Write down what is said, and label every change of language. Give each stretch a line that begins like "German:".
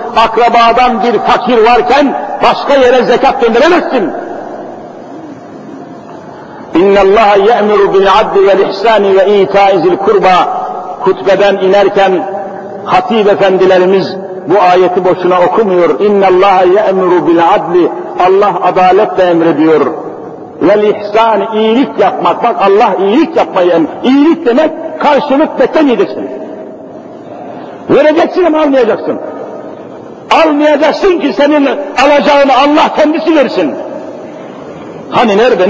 Turkish: Akrabadan bir fakir varken başka yere zekat gönderemezsin.
Arabic: اِنَّ اللّٰهَ يَأْمُرُ بِالْعَدِّ وَالْإِحْسَانِ وَاِيْتَاءِ ذِي الْقُرْبَى
Turkish: Hutbeden inerken hatip efendilerimiz bu ayeti boşuna okumuyor.
Arabic: اِنَّ اللّٰهَ يَأْمُرُ بِالْعَدِّ
Turkish: Allah adaletle emrediyor.
Arabic: وَالْإِحْسَانِ
Turkish: iyilik yapmak. Bak Allah iyilik yapmayı emrediyor. İyilik demek karşılık beklemeyeceksin. Vereceksin ama almayacaksın. Almayacaksın ki senin alacağını Allah kendisi versin. Hani nerede?